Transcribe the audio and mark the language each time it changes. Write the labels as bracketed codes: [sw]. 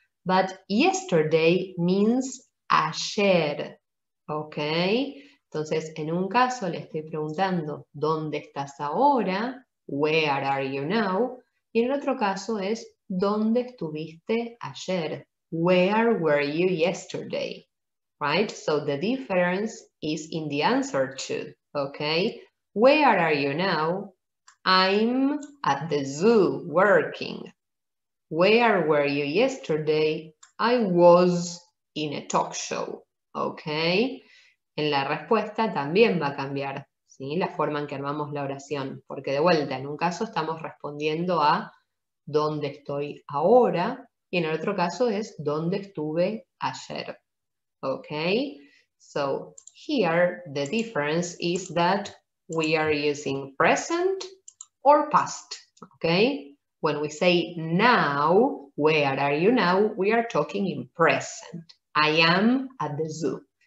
[en] But yesterday means ayer, okay? [es] Entonces, en un caso le estoy preguntando, ¿dónde estás ahora? [en] Where are you now? [es] Y en el otro caso es, ¿dónde estuviste ayer? [en] Where were you yesterday? Right? So the difference is in the answer to, okay? Where are you now? I'm at the zoo working. Where were you yesterday? I was in a talk show. Okay. [es] En la respuesta también va a cambiar. ¿Sí? La forma en que armamos la oración, porque de vuelta, en un caso estamos respondiendo a dónde estoy ahora y en el otro caso es dónde estuve ayer. [en] Okay, so here the difference is that we are using present or past. Okay, when we say now, where are you now? We are talking in present. I am at the zoo.